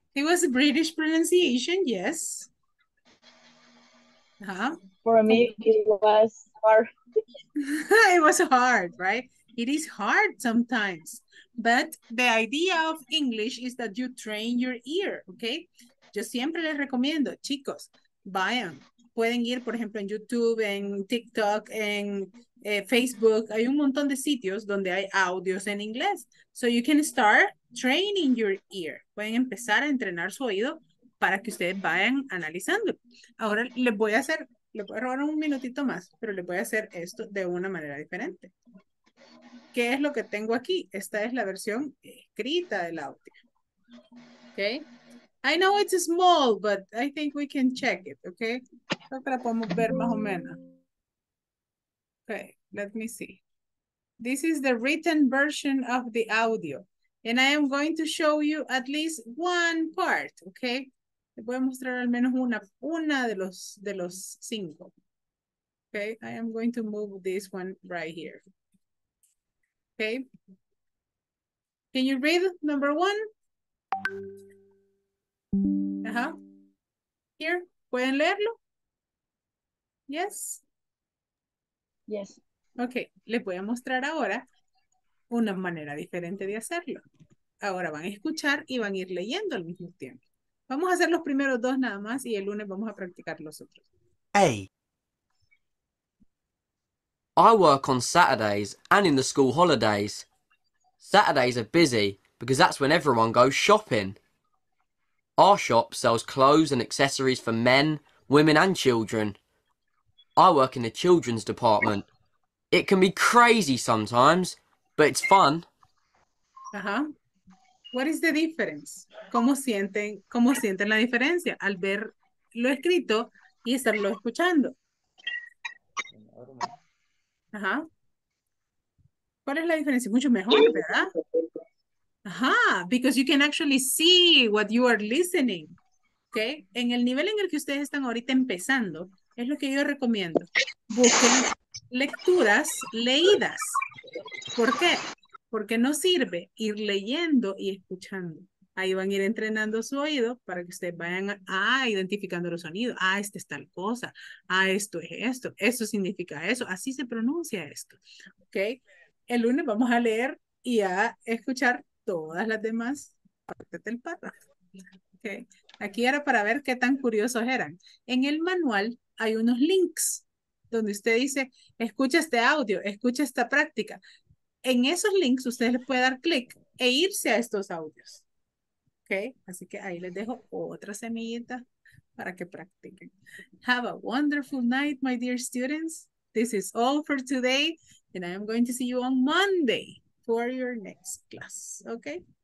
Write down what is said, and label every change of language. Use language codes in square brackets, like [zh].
[en] It was a British pronunciation, yes. Huh? For me, it was hard. It was hard, right? It is hard sometimes. But the idea of English is that you train your ear, okay? [es] Yo siempre les recomiendo, chicos, vayan. Pueden ir, por ejemplo, en YouTube, en TikTok, en Facebook. Hay un montón de sitios donde hay audios en inglés. [en] So you can start training your ear. [es] Pueden empezar a entrenar su oído para que ustedes vayan analizando. Ahora les voy a hacer... Le voy a robar un minutito más, pero le voy a hacer esto de una manera diferente. ¿Qué es lo que tengo aquí? Esta es la versión escrita del audio. Okay. [en] I know it's small, but I think we can check it. Okay. [es] Creo que la podemos ver más o menos. [en] Okay. Let me see. This is the written version of the audio. And I am going to show you at least one part. Okay. [es] Te voy a mostrar al menos una de los cinco. [en] Okay, I am going to move this one right here. Okay. Can you read number one? Uh-huh. Here, [es] ¿pueden leerlo? [en] Yes? Yes. [es] Okay, les voy a mostrar ahora una manera diferente de hacerlo. Ahora van a escuchar y van a ir leyendo al mismo tiempo. Vamos a hacer los primeros dos nada más y el lunes vamos a practicar los otros. [en] A. I work on Saturdays and in the school holidays. Saturdays are busy because that's when everyone goes shopping. Our shop sells clothes and accessories for men, women and children. I work in the children's department. It can be crazy sometimes, but it's fun. Uh-huh. What is the difference? [es] Cómo sienten la diferencia al ver lo escrito y estarlo escuchando? Uh-huh. ¿Cuál es la diferencia? Mucho mejor, ¿verdad? [en] Ajá, because you can actually see what you are listening. Okay? [es] En el nivel en el que ustedes están ahorita empezando, es lo que yo recomiendo. Busquen lecturas leídas. ¿Por qué? Porque no sirve ir leyendo y escuchando. Ahí van a ir entrenando su oído para que ustedes vayan identificando los sonidos. Ah, este es tal cosa. Ah, esto es esto. Eso significa eso. Así se pronuncia esto. Okay? El lunes vamos a leer y a escuchar todas las demás partes del párrafo. Okay. Aquí era para ver qué tan curiosos eran. En el manual hay unos links donde usted dice, escucha este audio, escucha esta práctica. En esos links usted le puede dar clic e irse a estos audios. Okay. Así que ahí les dejo otra semillita para que practiquen. [en] Have a wonderful night, my dear students. This is all for today, and I am going to see you on Monday for your next class, okay?